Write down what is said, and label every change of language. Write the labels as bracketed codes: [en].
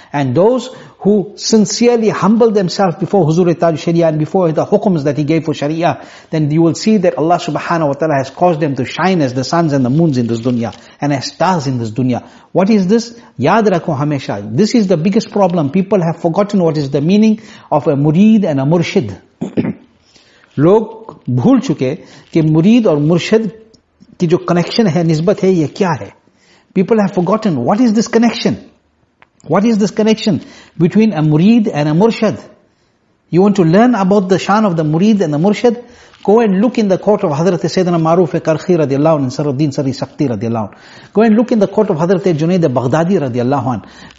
[en] And those who sincerely humbled themselves before Huzur Taj Sharia and before the hukums that he gave for Sharia, then you will see that Allah subhanahu wa ta'ala has caused them to shine as the suns and the moons in this dunya and as stars in this dunya. What is this? [hi] Yaad rakho hamesha. [en] This is the biggest problem. People have forgotten what is the meaning of a murid and a murshid. [hi] लोग भूल चुके कि मुरीद और मुर्शिद की जो connection है निस्बत है ये क्या है. [en] People have forgotten what is this connection? What is this connection between a murid and a murshid? You want to learn about the shan of the murid and the murshid? Go and look in the court of Hazrat Sayyidina Maruf Karkhi radiallahu anhu and Saruddin Sari Sakti radiallahu anhu. Go and look in the court of Hazrat Junaid Baghdadi radiallahu anhu.